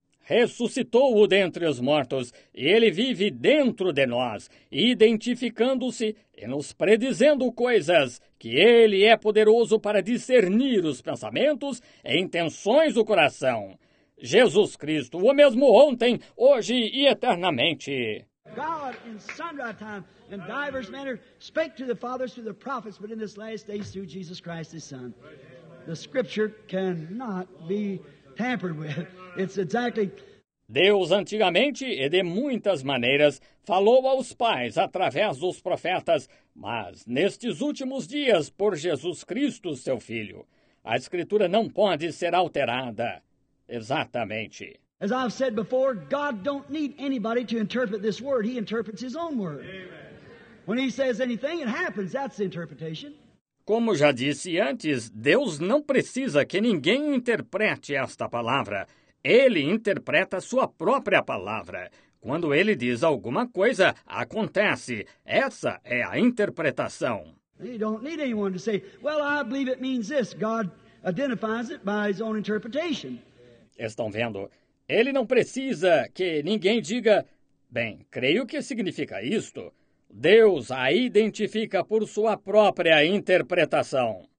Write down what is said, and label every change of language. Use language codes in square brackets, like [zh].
[pt] Ressuscitou-o dentre os mortos, e ele vive dentro de nós, identificando-se e nos predizendo coisas, que ele é poderoso para discernir os pensamentos e intenções do coração. Jesus Cristo, o mesmo ontem, hoje e eternamente. [en] God, in sundry time, in divers manner, spake to the fathers through the prophets, but in this last day through Jesus Christ, his Son. The scripture cannot be tampered with. It's exactly... [pt] Deus antigamente e de muitas maneiras falou aos pais através dos profetas, mas nestes últimos dias por Jesus Cristo, seu Filho. A Escritura não pode ser alterada. Exatamente. [en] As I've said before, God don't need anybody to interpret this word. He interprets his own word. Amen. When he says anything, it happens. That's the interpretation. [pt] Como já disse antes, Deus não precisa que ninguém interprete esta palavra. Ele interpreta sua própria palavra. Quando ele diz alguma coisa, acontece. Essa é a interpretação. [en] You don't need anyone to say, well, I believe it means this. God identifies it by his own interpretation. [pt] Estão vendo? Ele não precisa que ninguém diga, bem, creio que significa isto. Deus a identifica por sua própria interpretação.